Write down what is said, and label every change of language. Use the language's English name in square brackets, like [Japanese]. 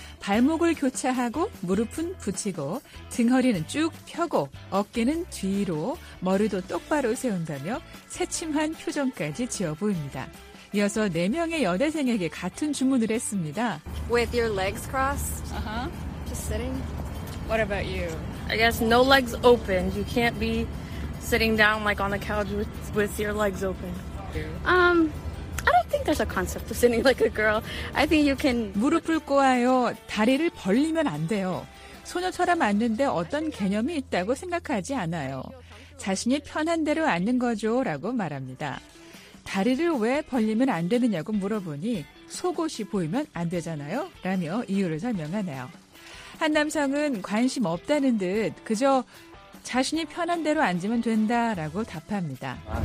[Korean] 발목을 교차하고 무릎은 붙이고 등허리는 쭉 펴고 어깨는 뒤로 머리도 똑바로 세운다며 새침한 표정까지 지어 보입니다. 이어서 4명의 여대생에게 같은 주문을 했습니다. [English] With your legs crossed? Just sitting? What about you? I guess no legs open. You can't be sitting down like on the couch with your legs open. I don't think there's a concept of sitting like a girl. I think you can [Korean] 무릎을 꼬아요. 다리를 벌리면 안 돼요. 소녀처럼 앉는데 어떤 개념이 있다고 생각하지 않아요. 자신이 편한 대로 앉는 거죠. 라고 말합니다. 다리를 왜 벌리면 안 되느냐고 물어보니 속옷이 보이면 안 되잖아요. 라며 이유를 설명하네요. 한 남성은 관심 없다는 듯 그저 자신이 편한 대로 앉으면 된다라고 답합니다.